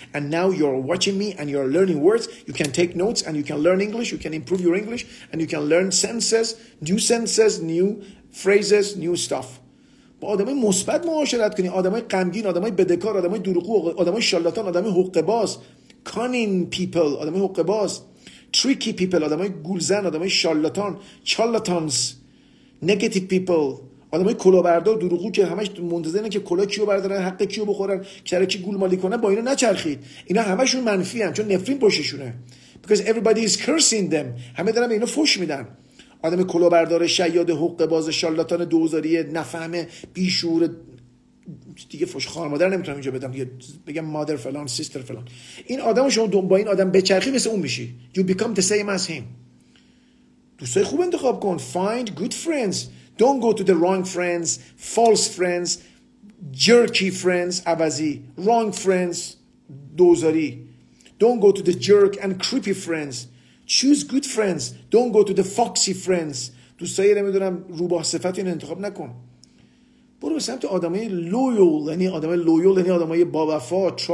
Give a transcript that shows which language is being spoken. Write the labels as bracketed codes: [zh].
[en] And now you're watching me and you're learning words. You can take notes and you can learn English. You can improve your English. And you can learn sentences, new phrases, new stuff. [fa] با آدمای مثبت معاشرت کنی، آدمای غمگین، آدمای بدهکار، آدمای دروغگو، آدمای شالاتان، آدمای حقه‌باز، [en] cunning people، [fa] آدمای حقه‌باز، [en] tricky people، [fa] آدمای گولزن، آدمای شالاتان، charlatans، [en] negative people، [fa] آدمای کلاهبردار، دروغگو که همش منتظر اینن که کلاه کیو بردارن، حق کیو بخورن، کی کی گولمالی کنه، با اینا نچرخید. اینا همشون منفی هستن، چون نفرین پشتشونه. [en] Because everybody is cursing them. [fa] همه دارن به اینا فحش میدن. آدم کلاهبردار، شیاد، حقه باز، شالاتان، دوزاری، نفهمه، بیشعور، دیگه فش خانم مادر نمیتونم اینجا بدم، دیگه بگم مادر فلان، سیستر فلان. این آدم شما با این آدم بچرخی مثل اون میشی. [en] You become the same as him. [fa] دوستای خوب انتخاب کن. [en] Find good friends. Don't go to the wrong friends, false friends, jerky friends, عوضی. Wrong friends, دوزاری. Don't go to the jerk and creepy friends. Choose good friends. Don't go to the foxy friends. [fa] دوستایی نمیدونم روباه صفت این انتخاب نکن. برو به سمت آدمای loyal. یعنی آدمای loyal یعنی آدمای باوفا.